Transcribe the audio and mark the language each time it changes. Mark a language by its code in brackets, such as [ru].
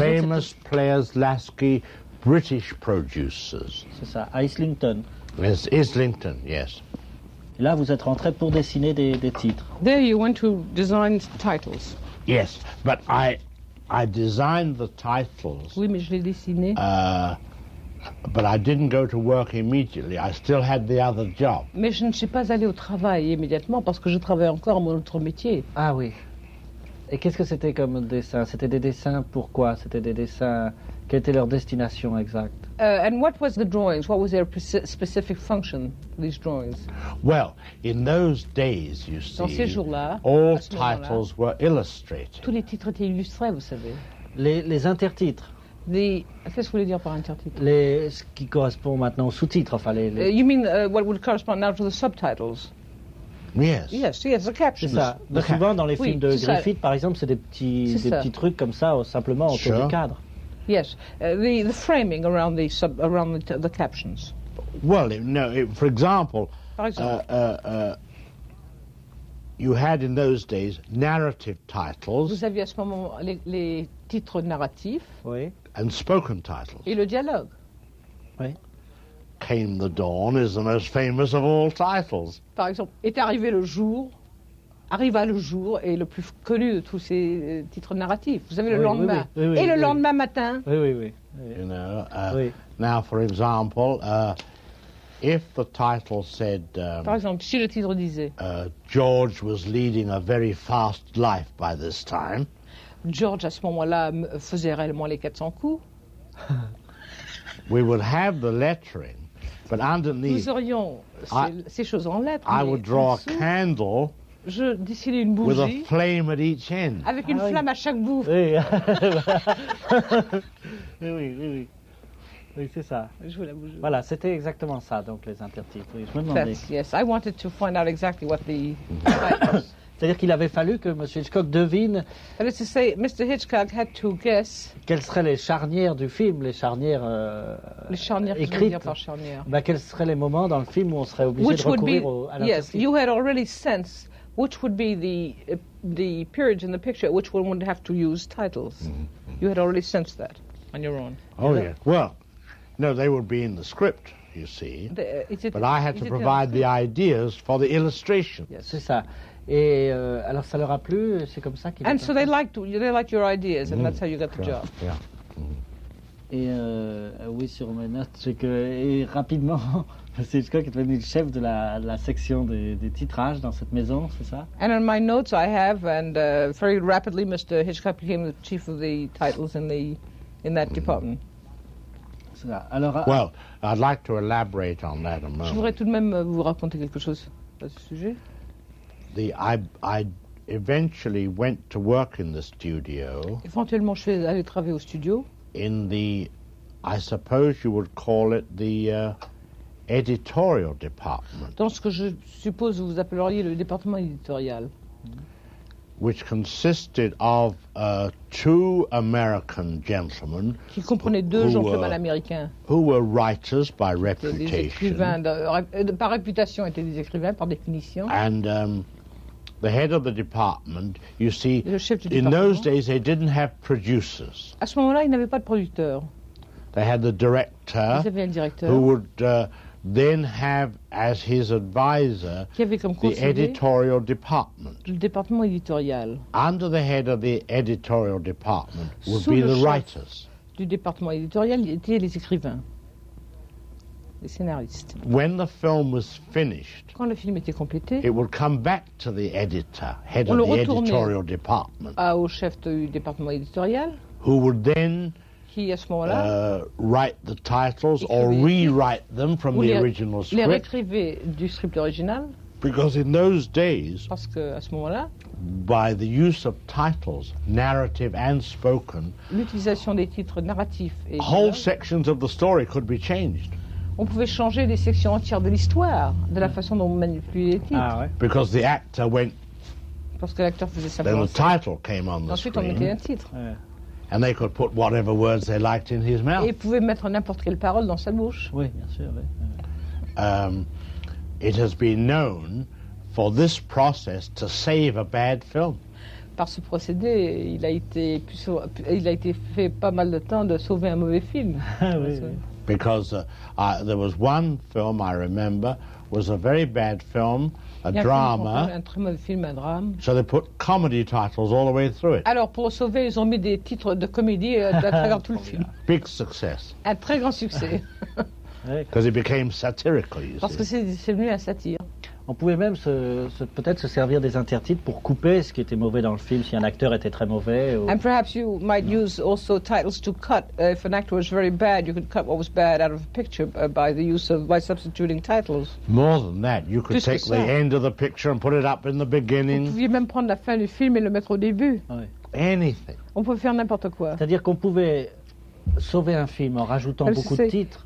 [en] Famous Players Lasky, British producers. [fr] C'est ça, à Islington. [en] Yes, Islington, yes. [fr] Et là, vous êtes rentré pour dessiner des titres. [en] There you went to design titles. Yes, but I designed the titles. [fr] Oui, mais je l'ai dessiné. [en] But I didn't go to work immediately. I still had the other job. [fr] Mais je ne suis pas allé au travail immédiatement parce que je travaillais encore à mon autre métier. Ah oui. Et qu'est-ce que c'était comme dessin? C'était des dessins. Pourquoi? C'était des dessins. Quelle était leur destination exacte? [en] And what was the drawings? What was their specific function? These drawings. Well, in those days, you see, [fr] dans ces jours-là, [en] all titles were illustrated. [fr] Tous les titres étaient illustrés, vous savez. Les intertitres. Qu'est-ce que vous voulez dire par intertitre? Ce qui correspond maintenant aux sous-titres, enfin les. [en] You mean what would correspond now to the subtitles? Yes. Yes. Yes. The captions. [fr] C'est ça. Donc souvent dans les films de Griffith, par exemple, c'est des petits trucs comme ça, simplement autour du cadre. [en] Yes. The framing around the sub around the captions. Well, no. For example. [fr] Par exemple. [en] You had in those days narrative titles. [fr] Vous aviez à ce moment les titres narratifs. Oui. [en] And spoken titles. [fr] Et le dialogue. Oui. [en] Came the Dawn is the most famous of all titles. [fr] Par exemple, est arrivé le jour. Arriva le jour est le plus connu de tous ces titres narratifs. Vous avez le lendemain. Oui, oui, oui, et le oui. lendemain matin. Oui, oui, oui. Oui. [en] You know. Oui. Now, for example. If the title said, [fr] par exemple, si le titre disait, [en] George was leading a very fast life by this time. [fr] George à ce moment-là faisait réellement les 400 coups. [en] We would have the lettering, but underneath. [fr] Nous aurions ces choses en lettres. [en] I would draw a candle. [fr] Je dessinais une bougie. [en] With a flame at each end. [fr] Avec une flamme à chaque bout. Oui. oui. Oui, c'est ça. Je voulais bouger. Voilà, c'était exactement ça, donc les intertitres. Oui, je me demandais. [en] Yes, I wanted to find out exactly what the. [fr] C'est-à-dire qu'il avait fallu que M. Hitchcock devine. [en] That is to say, Mr. Hitchcock had to guess. [fr] Quelles seraient les charnières du film, les charnières écrites. Les charnières, écrites. Je veux dire par charnières. Ben, quels seraient les moments dans le film où on serait obligé [en] which [fr] de recourir [en] be, [fr] au, à l'intertitre. [en] Yes, you had already sensed which would be the periods in the picture, which one would have to use titles. Mm-hmm. You had already sensed that on your own. Oh, yeah. Well. No, they would be in the script, you see. But I had to provide the ideas for the illustration. [fr] Yes, c'est ça. Et alors ça leur a plu, c'est comme ça qu'ils. [en] And so they liked your ideas, and that's how you got the job. Yeah. [fr] Et oui, sur mes notes, c'est que et rapidement, c'est Hitchcock qui est devenu le chef de la section des titrages dans cette maison, c'est ça. [en] And in my notes, I have, and very rapidly, Mr. Hitchcock became the chief of the titles in that department. [fr] Alors, [en] well, I'd like to elaborate on that a moment. [fr] Je voudrais tout de même vous raconter quelque chose à ce sujet. [en] I eventually went to work in the studio. [fr] Éventuellement, je suis allé travailler au studio. [en] In the, I suppose you would call it the editorial department. [fr] Dans ce que je suppose vous appelleriez le département éditorial. [en] Which consisted of two American gentlemen [fr] qui comprenait deux gentlemen américains [en] who were writers by reputation. [fr] Des écrivains par réputation étaient des écrivains par définition. [en] And the head of the department, you see, in those days they didn't have producers. [fr] À ce moment-là, ils n'avaient pas de producteurs. [en] They had the director. [fr] Ils avaient un directeur. [en] Who would then have as his advisor the editorial department. [fr] Le département éditorial. [en] Under the head of the editorial department would be the writers. [fr] Du département éditorial étaient les écrivains, les scénaristes. [en] When the film was finished, [fr] quand le film était complété, [en] it would come back to the editor, head of the editorial department. [fr] Au chef du département éditorial. [en] Who would then [fr] qui, à ce moment-là, [en] write the titles or rewrite them from the original script. [fr] Les réécrivait du script original. [en] Because in those days, [fr] parce que à ce moment-là, [en] by the use of titles, narrative and spoken, [fr] l'utilisation des titres narratifs et [en] whole sections of the story could be changed. [fr] On pouvait changer des sections entières de l'histoire de la façon dont on manipulait les titres. Ah, ouais. [en] Because the actor went. [fr] Parce que l'acteur faisait sa. [en] Then the title came on the [fr] ensuite, [en] screen. [fr] Ensuite, on mettait un titre. Ouais. [en] And they could put whatever words they liked in his mouth. [fr] Et pouvait mettre n'importe quelle parole dans sa bouche. Oui, bien sûr. Oui. [en] It has been known for this process to save a bad film. [fr] Par ce procédé, il a été fait pas mal de temps de sauver un mauvais film. Ah, oui. [en] Because there was one film I remember was a very bad film. A drama. [fr] Un très mauvais film, un drame. [en] So they put comedy titles all the way through it. [fr] Alors pour sauver, ils ont mis des titres de comédie à travers tout le film. [en] Big success. [fr] Un très grand succès. [en] Because it became satirical, you see. [fr] Parce que c'est devenu un satire. On pouvait même peut-être se servir des intertitres pour couper ce qui était mauvais dans le film si un acteur était très mauvais. Ou... [en] And perhaps you might use also titles to cut if an actor was very bad. You could cut what was bad out of a picture by substituting titles. More than that, you could take the end of the picture and put it up in the beginning. [fr] Vous pouviez même prendre la fin du film et le mettre au début. Oui. [en] Anything. [fr] On pouvait faire n'importe quoi. C'est-à-dire qu'on pouvait sauver un film en rajoutant beaucoup de titres.